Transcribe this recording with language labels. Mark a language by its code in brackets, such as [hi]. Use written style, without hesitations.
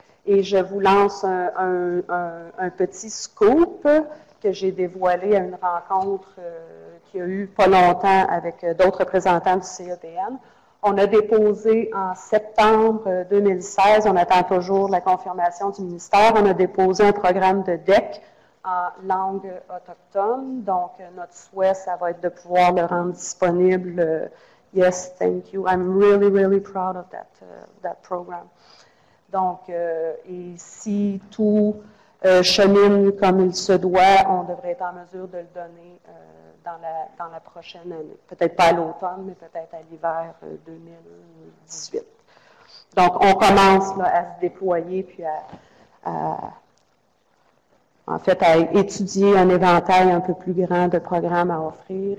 [fr] Et je vous lance un petit scoop que j'ai dévoilé à une rencontre qui a eu pas longtemps avec d'autres représentants du CEPN. On a déposé en septembre 2016, on attend toujours la confirmation du ministère, on a déposé un programme de DEC en langue autochtone. Donc, notre souhait, ça va être de pouvoir le rendre disponible. [en] Yes, thank you. I'm really, really proud of that, that program. [fr] Donc, et si tout chemine comme il se doit, on devrait être en mesure de le donner dans la prochaine année. Peut-être pas à l'automne, mais peut-être à l'hiver 2018. Donc, on commence là, à se déployer, puis à étudier un éventail un peu plus grand de programmes à offrir.